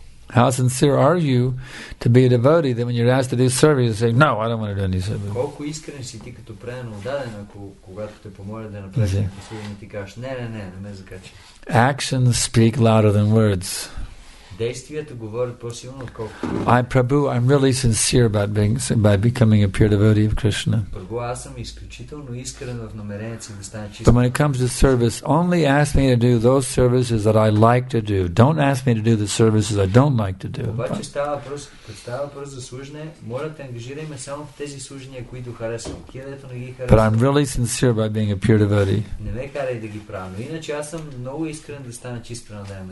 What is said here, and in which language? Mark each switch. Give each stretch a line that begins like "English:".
English: How sincere are you to be a devotee that when you're asked to do service, you say, no, I don't want to do any service?
Bulgarian: Колко искрен си ти като предан отдаден, ако когато те помоля да направиш някакво служение, ти кажеш, не ме закачи.
English: Actions speak louder than words.
Bulgarian: Действията говорят по-силно отколкото.
English: I, Prabhu, I'm really sincere about becoming a pure devotee of Krishna.
Bulgarian: Прабху, аз съм изключително искрен в намерението си да стане чист.
English: But when it comes to service, only ask me to do those services that I like to do. Don't ask me to do the services I don't like to do.
Bulgarian: Обаче става въпрос за служене, моля те, ангажирай ме само в тези служения, които харесвам. Където не ги харесвам.
English: But I'm really sincere about being a pure devotee.
Bulgarian: Не ме карай да ги правя, но иначе аз съм много искрен да стана чист предан.